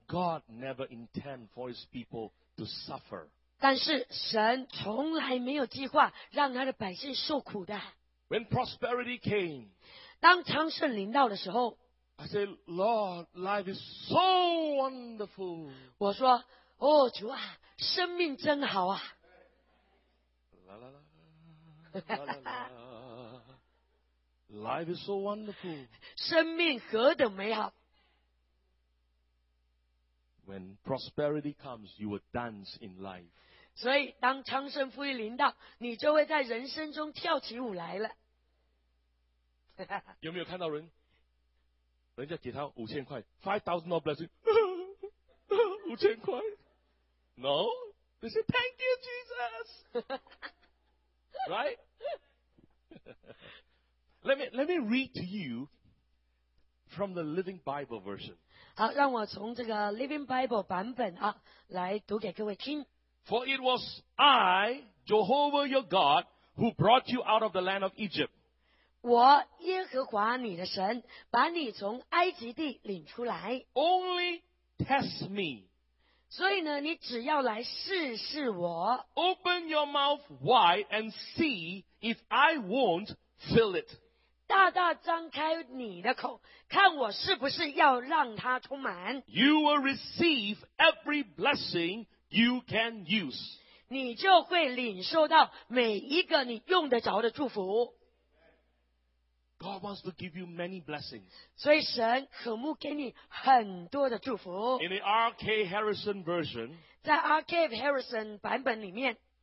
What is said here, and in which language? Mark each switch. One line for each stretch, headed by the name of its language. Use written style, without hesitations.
English: God never intend for his people to suffer.
Chinese: 但是神从来没有计划让他的百姓受苦的。
English: When prosperity came,
Chinese: 当昌盛临到的时候
English: I said, Lord, life is so wonderful.
Chinese: 我说，哦，主啊，生命真好啊。
English: 啦啦啦，啦啦啦。Life is so wonderful.
Chinese: 生命何等美好。
English: When prosperity comes, you will dance in life.
Chinese: 所以当昌盛富裕临到，你就会在人生中跳起舞来了。有没有看到人家给他5000块
English: $5,000 blessing,
Chinese: 5000块
English: No? They say, thank you, Jesus! Right? Let me read to you from the Living Bible version.
Chinese: 好，让我从这个 Living Bible 版本啊，来读给各位听。
English: For it was I, Jehovah your God, who brought you out of the land of Egypt.
Chinese: 我耶和华你的神，把你从埃及地领出来。
English: Only test me.
Chinese: 所以呢，你只要来试试我。
English: Open your mouth wide and see if I won't fill it.
Chinese: 大大张开你的口，看我是不是要让它充满。
English: You will receive every blessing you can use.
Chinese: 你就会领受到每一个你用得着的祝福。
English: God wants to give you many blessings.
Chinese: 所以神渴慕给你很多的祝福。
English: In the R.K. Harrison version,
Chinese: 在 R.K. Harrison 版本里面，